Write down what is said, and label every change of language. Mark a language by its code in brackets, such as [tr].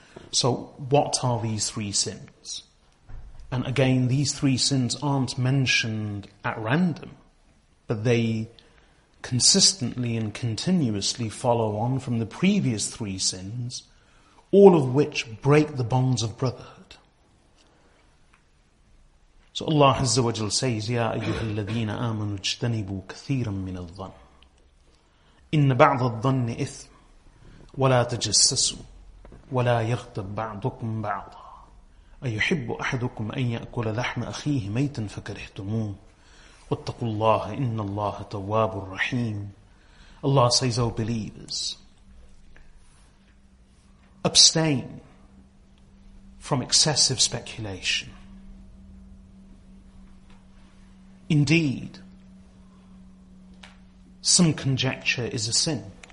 [en] So what are these three sins? And again, these three sins aren't mentioned at random, but they consistently and continuously follow on from the previous three sins, all of which break the bonds of brotherhood. So Allah Azza wa Jal says, [ar] يَا أَيُّهَا الَّذِينَ آمَنُوا اجْتَنِبُوا كَثِيرًا مِّنَ الظَّنِّ إِنَّ بَعْضَ الظَّنِّ إِثْمٌ وَلَا تَجَسَّسُوا وَلَا يَغْتَبْ بَعْضُكُمْ بَعْضًا أَيُحِبُّ أَحَدُكُمْ أَن يَأْكُلَ لَحْمَ أَخِيهِ مَيْتًا فَكَرِهْتُمُوهُ وَاتَّقُوا اللَّهَ إِنَّ اللَّهَ تَوَّابٌ رَّحِيمٌ. [en] Allah says, O believers, abstain from excessive speculation. Indeed, some conjecture is a sin.